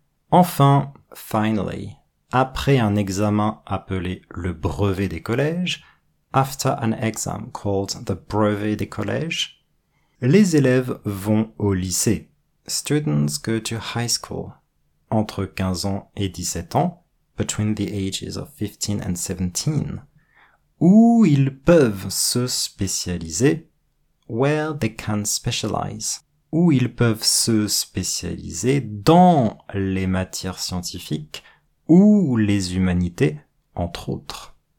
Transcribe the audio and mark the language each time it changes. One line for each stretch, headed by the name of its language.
French: Enfin,
English: finally,
French: après un examen appelé le brevet des collèges,
English: after an exam called the brevet des collèges,
French: les élèves vont au lycée.
English: Students go to high school.
French: Entre 15 ans et 17 ans,
English: between the ages of 15 and 17,
French: où ils peuvent se spécialiser,
English: where they can specialize,
French: où ils peuvent se spécialiser dans les matières scientifiques ou les humanités, entre autres.